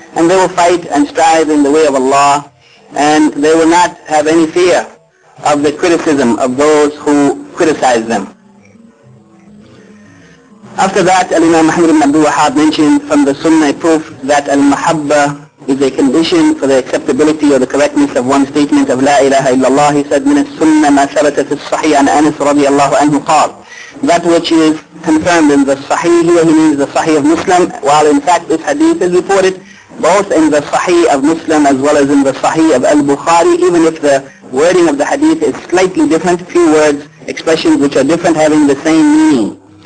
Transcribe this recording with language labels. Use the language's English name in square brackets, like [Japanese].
[English] And they will fight and strive in the way of Allah, and they will not have any fear of the criticism of those who criticize them. After that, Al-Imam Muhammad ibn Abdul Wahhab mentioned from the Sunnah proof that Al-Mahabba is a condition for the acceptability or the correctness of one's statement of La ilaha illallah. He said, [Arabic] من السنة ما ثبت في الصحيح عن أنس رضي الله عنه قال. [English] That which is confirmed in the Sahih, here he means the Sahih of Muslim, while in fact this hadith is reported both in the Sahih of Muslim as well as in the Sahih of Al-Bukhari, even if the wording of the hadith is slightly different, few words, expressions which are different having the same meaning.